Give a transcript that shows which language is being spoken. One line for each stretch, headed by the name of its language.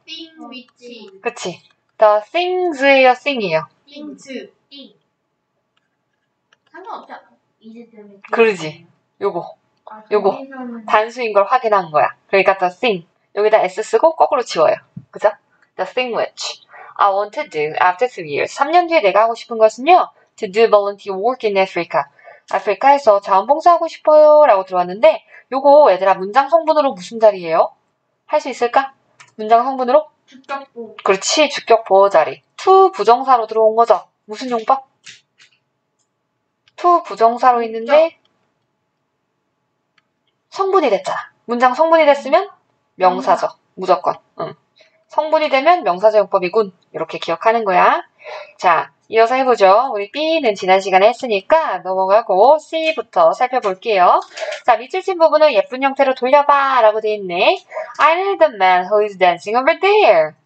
English: thing, which,
Korean: 그치? The things예요, thing이에요. into, thing. 상관없지 않아? 이제 되면 그러지? thing이잖아요. 요거. 아, 요거. 정리서는. 단수인 걸 확인한 거야. 그러니까 the thing. 여기다 s 쓰고 거꾸로 지워요. 그죠?
English: The thing which I want to do after 3 years.
Korean: 3년 뒤에 내가 하고 싶은 것은요.
English: To do volunteer work in Africa.
Korean: 아프리카에서 자원봉사하고 싶어요 라고 들어왔는데 요거 얘들아 문장 성분으로 무슨 자리예요? 할수 있을까? 문장 성분으로? 주격부. 그렇지 주격 보호 자리 to 부정사로 들어온 거죠 무슨 용법? to 부정사로 있는데 성분이 됐잖아. 문장 성분이 됐으면 명사죠. 무조건. 성분이 되면 명사적 용법이군. 이렇게 기억하는 거야. 자, 이어서 해보죠. 우리 B는 지난 시간에 했으니까 넘어가고 C부터 살펴볼게요. 자, 밑줄 친 부분은 예쁜 형태로 돌려봐 라고 돼 있네.
English: I know the man who is dancing over there.